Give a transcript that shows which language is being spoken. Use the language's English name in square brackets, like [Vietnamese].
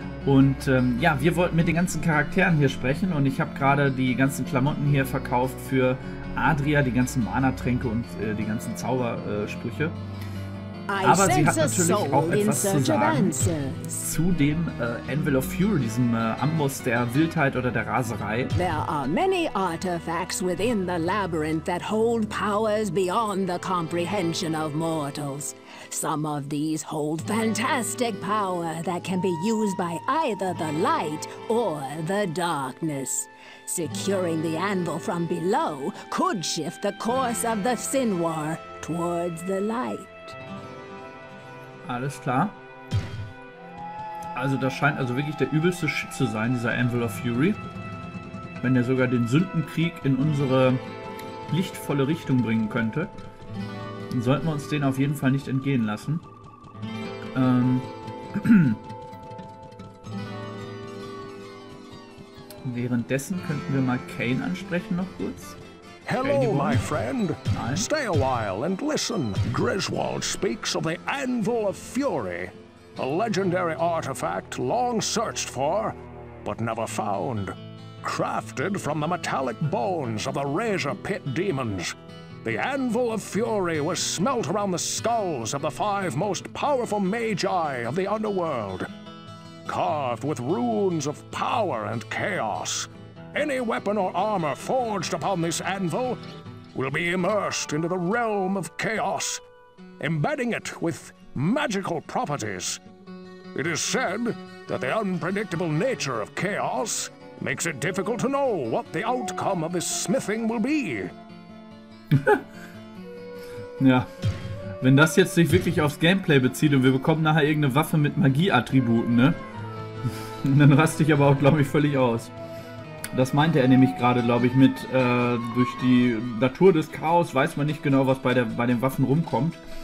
[German] Und ja, wir wollten mit den ganzen Charakteren hier sprechen und ich habe gerade die ganzen Klamotten hier verkauft für Adria, die ganzen Mana-Tränke und die ganzen Zaubersprüche. Aber sie hat natürlich auch etwas zu sagen zu dem Anvil of Fury, diesem Amboss der Wildheit oder der Raserei. [English] There are many artifacts within the labyrinth that hold powers beyond the comprehension of mortals. Some of these hold fantastic power that can be used by either the light or the darkness. Securing the anvil from below could shift the course of the Sinwar towards the light. [German] Alles klar. Also das scheint also wirklich der übelste Shit zu sein, dieser Anvil of Fury. Wenn er sogar den Sündenkrieg in unsere lichtvolle Richtung bringen könnte, dann sollten wir uns den auf jeden Fall nicht entgehen lassen. Währenddessen könnten wir mal Kane ansprechen noch kurz. [English] Hello, my friend. [German] Nein. [English] Stay a while and listen. Griswold speaks of the Anvil of Fury, a legendary artifact long searched for, but never found. Crafted from the metallic bones of the Razor Pit demons, the Anvil of Fury was smelt around the skulls of the five most powerful magi of the underworld. Carved with runes of power and chaos, any weapon or armor forged upon this anvil will be immersed into the realm of chaos, embedding it with magical properties. It is said that the unpredictable nature of chaos makes it difficult to know what the outcome of this smithing will be. [German] Ja, wenn das jetzt sich wirklich aufs Gameplay bezieht und wir bekommen nachher irgendeine Waffe mit Magieattributen, ne? Dann raste ich aber auch, glaube ich, völlig aus. Das meinte er nämlich gerade, glaube ich, mit durch die Natur des Chaos weiß man nicht genau, was bei den Waffen rumkommt.